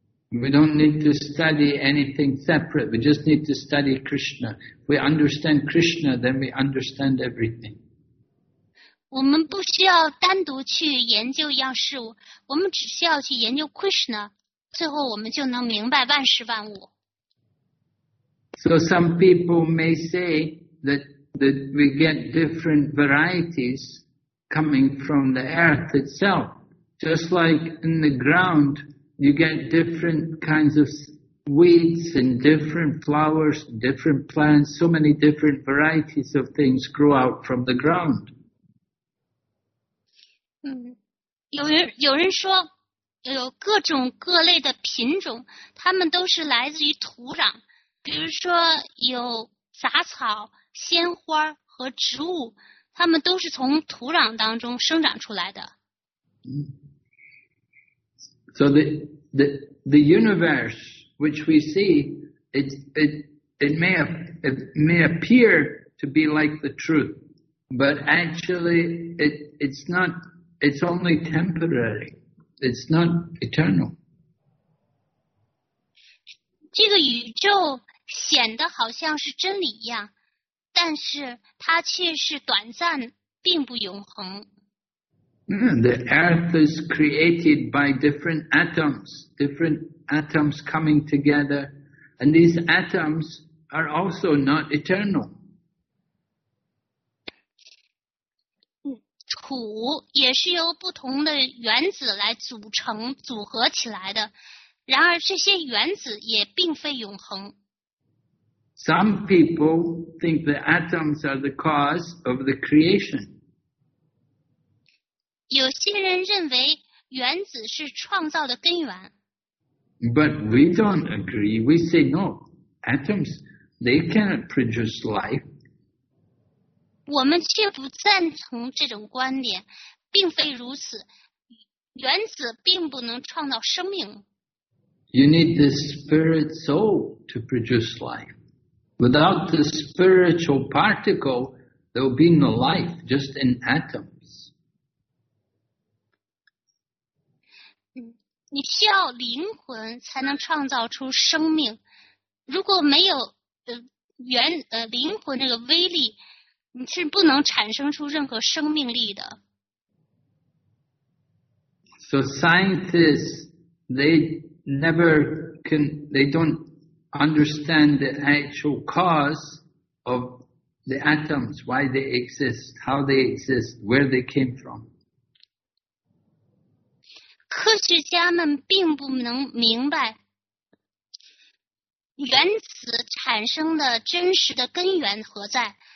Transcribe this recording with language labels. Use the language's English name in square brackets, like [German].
[English] We don't need to study anything separate. We just need to study Krishna. We understand Krishna, then we understand everything. [Chinese] 我们不需要单独去研究一样事物，我们只需要去研究 Krishna， 最后我们就能明白万事万物。 [English] So some people may say that we get different varieties coming from the earth itself, just like in the ground, you get different kinds of weeds and different flowers, different plants. So many different varieties of things grow out from the ground. [Chinese] 有人说有各种各类的品种，它们都是来自于土壤，比如说有杂草、鲜花和植物，它们都是从土壤当中生长出来的。 [English] So the universe which we see, it may appear to be like the truth, but actually it's notIt's only temporary. It's not eternal. [Chinese] 这个宇宙显得好像是真理一样，但是它却是短暂，并不永恒。 [English] The earth is created by different atoms, different atoms coming together, and these atoms are also not eternal. [Chinese] 土也是由不同的原子来组成组合起来的，然而这些原子也并非永恒。 [English] Some people think the atoms are the cause of the creation. [Chinese] 有些人认为原子是创造的根源。 [English] But we don't agree. We say no. Atoms, they cannot produce life. [Chinese] 我们却不赞同这种观点，并非如此。原子并不能创造生命。 [English] You need the spirit soul to produce life. Without the spiritual particle, there will be no life, just in atoms. [Chinese] 你需要灵魂才能创造出生命。如果没有灵魂这个威力，你是不能产生出任何生命力的。 [English] So scientists, they don't understand the actual cause of the atoms, why they exist, how they exist, where they came from. [Chinese] 科学家们并不能明白原子产生的真实的根源何在。